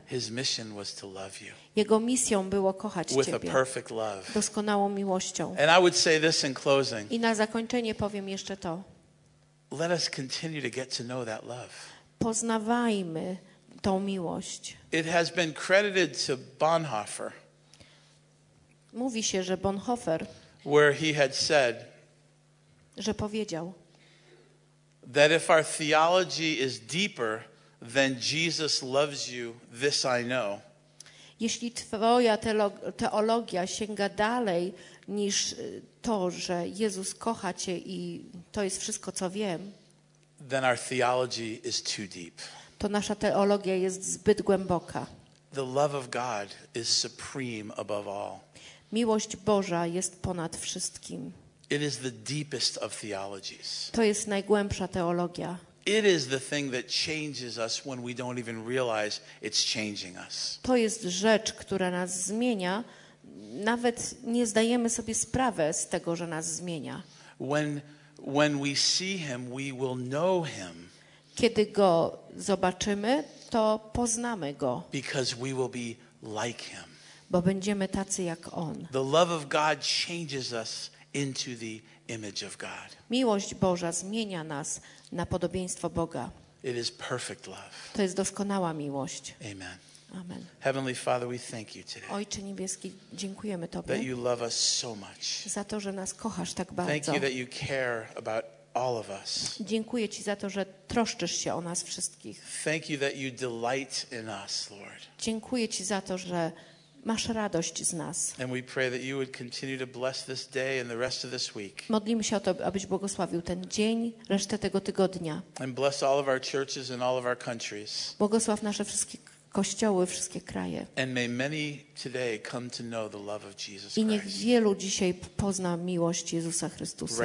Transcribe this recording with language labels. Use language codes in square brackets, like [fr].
[en] His mission was to love you. [pl] Jego misją było kochać [en] with [pl] ciebie. [en] A perfect love. [pl] Doskonałą miłością. [en] And I would say this in closing. [pl] I na zakończenie powiem jeszcze to. [en] Let us continue to get to know that love. [pl] Poznawajmy tą miłość. [en] It has been credited to Bonhoeffer. [pl] Mówi się, że Bonhoeffer [en] where he had said, [pl] że powiedział, [en] that if our theology is deeper than Jesus loves you, this I know. [pl] Jeśli twoja teologia sięga dalej niż to, że Jezus kocha cię i to jest wszystko, co wiem, [en] then our theology is too deep. [pl] To nasza teologia jest zbyt głęboka. [en] The love of God is supreme above all. [pl] Miłość Boża jest ponad wszystkim. [en] It is the deepest of theologies. [pl] To jest najgłębsza teologia. [en] It is the thing that changes us when we don't even realize it's changing us. [pl] To jest rzecz, która nas zmienia, nawet nie zdajemy sobie sprawy z tego, że nas zmienia. [en] When we see him, we will know him. [pl] Kiedy go zobaczymy, to poznamy go. [en] Because we will be like him. [pl] Bo będziemy tacy jak on. [en] The love of God changes us into the image of God. [pl] Miłość Boża zmienia nas na podobieństwo Boga. [en] It is perfect love. [pl] To jest doskonała miłość. [en] Amen. [pl] Amen. [en] Heavenly Father, we thank you today. [pl] Ojcze niebieski, dziękujemy tobie. [en] That you love us so much. [pl] Za to, że nas kochasz tak bardzo. [en] Thank you that you care about all of us. [pl] Dziękuję ci za to, że troszczysz się o nas wszystkich. [en] Thank you that you delight in us, Lord. [pl] Dziękuję ci za to, że masz radość z nas. [en] And we pray that you would continue to bless this day and the rest of this week. [pl] Modlimy się o to, abyś błogosławił ten dzień, resztę tego tygodnia. [en] And bless all of our churches and all of our countries. [pl] Błogosław nasze wszystkie kościoły, wszystkie kraje. [en] And may many today come to know the love of Jesus Christ. [pl] I niech wielu dzisiaj pozna miłość Jezusa Chrystusa.